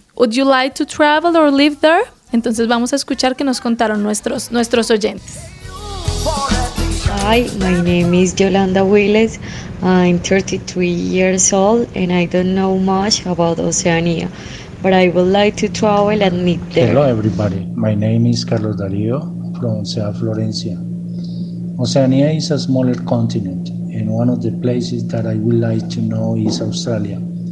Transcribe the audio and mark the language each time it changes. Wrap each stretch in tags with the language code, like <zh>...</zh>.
<en>Would you like to travel or live there?</en> <es>Entonces vamos a escuchar qué nos contaron nuestros oyentes.</es> <en>Hi, my name is Yolanda Willis. I'm 33 years old and I don't know much about Oceania, but I would like to travel and meet there. Hello everybody, my name is Carlos Darío from Sea Florencia. Oceania is a smaller continent, and one of the places that I would like to know is Australia.</en>